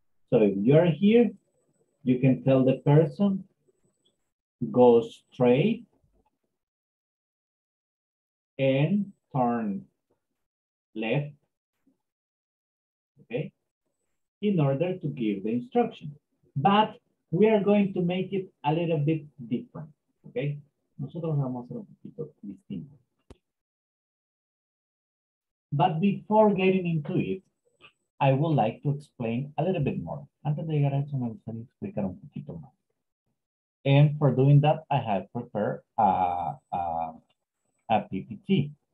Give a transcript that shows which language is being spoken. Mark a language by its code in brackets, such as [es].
[en] So if you're here, you can tell the person, go straight and turn left, okay, in order to give the instruction. But we are going to make it a little bit different, okay? [es] Nosotros vamos a hacer un poquito distinto. [en] But before getting into it, I would like to explain a little bit more. [es] Antes de llegar a eso, me gustaría explicar un poquito más. [en] And for doing that, I have prepared a PPT.